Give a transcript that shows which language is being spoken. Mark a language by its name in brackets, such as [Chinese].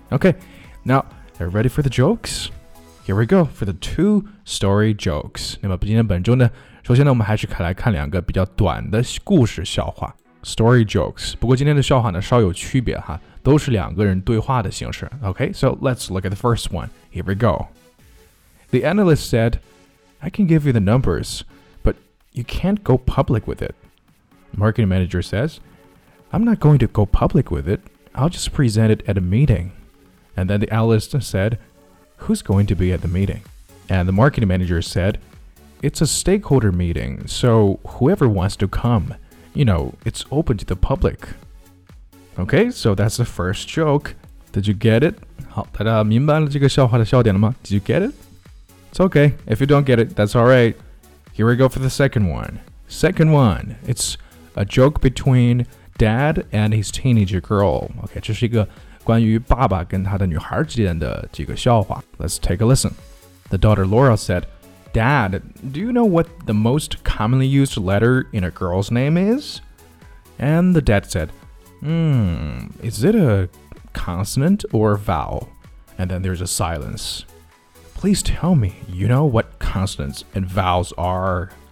[English] Okay, now, are you ready for the jokes? Here we go, for the two-story jokes. [Chinese] 那么今天本周呢，首先呢，我们还是来看两个比较短的故事笑话。 [English] Story jokes. [Chinese] 不过今天的笑话呢，稍有区别哈，都是两个人对话的形式。 [English] Okay, so let's look at the first one. Here we go. The analyst said, I can give you the numbers, but you can't go public with it. Marketing manager says, I'm not going to go public with it. I'll just present it at a meeting. And then the analyst said, who's going to be at the meeting? And the marketing manager said, it's a stakeholder meeting, so whoever wants to come, you know, it's open to the public. Okay, so that's the first joke. Did you get it? [Chinese] 好，大家明白了这个笑话的笑点了吗? [English] Did you get it? It's okay. If you don't get it, that's all right. Here we go for the second one. Second one. It's a joke between dad and his teenager girl. [Chinese] Okay, 这是一个关于爸爸跟他的女孩之间的这个笑话。 [English] Let's take a listen. The daughter Laura said, Dad, do you know what the most commonly used letter in a girl's name is? And the dad said, is it a consonant or a vowel? And then there's a silence. Please tell me, you know what consonants and vowels are?